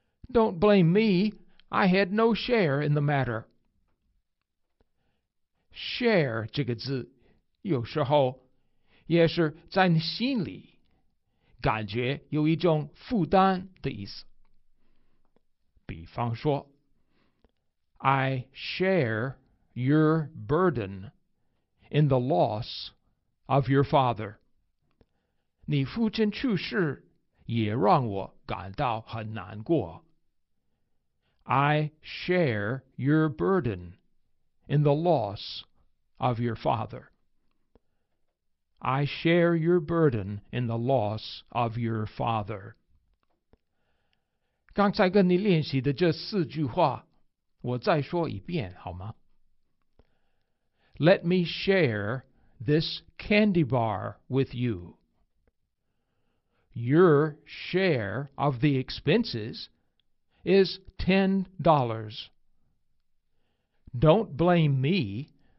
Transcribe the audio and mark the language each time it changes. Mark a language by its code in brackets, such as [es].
[en] Don't blame me. I had no share in the matter. [zh] Share 这个字，有时候也是在你心里感觉有一种负担的意思。比方说 [en] ,I share your burden in the loss of your father. [zh] 你父亲去世也让我感到很难过。 [en] I share your burden in the loss of your father. I share your burden in the loss of your father. [zh] 刚才跟你练习的这四句话，我再说一遍好吗？ [en] Let me share this candy bar with you. Your share of the expenses is $10. Don't blame me.